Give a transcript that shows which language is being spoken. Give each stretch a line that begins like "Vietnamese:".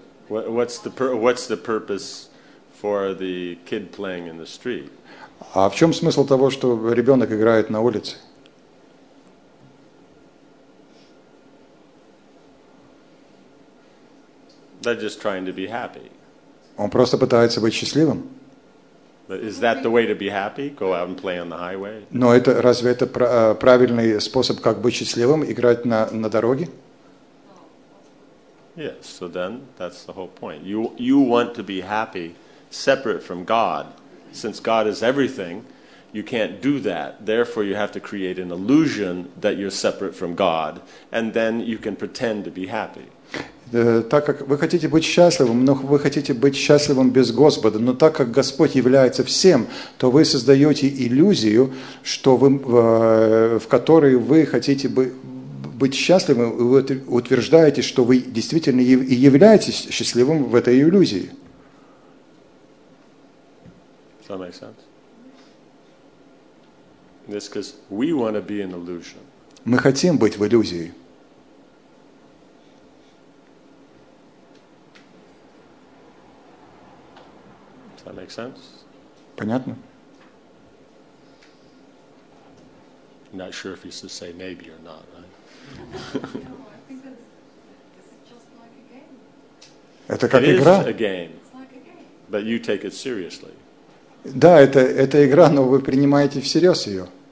English: What's the purpose for the kid playing in the street?
Russian: А в чем смысл того, что ребенок играет на улице?
English: They're just trying to be happy.
Russian: Он просто пытается быть счастливым.
English: But is that the way to be happy? Go out and play on the highway?
Russian: Но это разве это правильный способ, как быть счастливым, играть на дороге?
English: Yes, so then that's the whole point. You want to be happy separate from God. Since God is everything, you can't do that. Therefore, you have to create an illusion that you're separate from God, and then you can pretend to be happy.
Russian: Так как вы хотите быть счастливым, но вы хотите быть счастливым без Господа, но так как Господь является всем, то вы создаете иллюзию, что вы, в которой вы хотите быть счастливым, и вы утверждаете, что вы действительно и являетесь счастливым в этой иллюзии.
English: Does that make sense? This is because we want to be in illusion.
Russian: Мы хотим быть в иллюзии.
English: Does that make sense?
Russian: Понятно.
English: I'm not sure if you should say maybe or not, right?
Russian: Это как игра.
English: It is a game, but you take it seriously.
Russian: Да, это игра, но вы принимаете всерьез ее.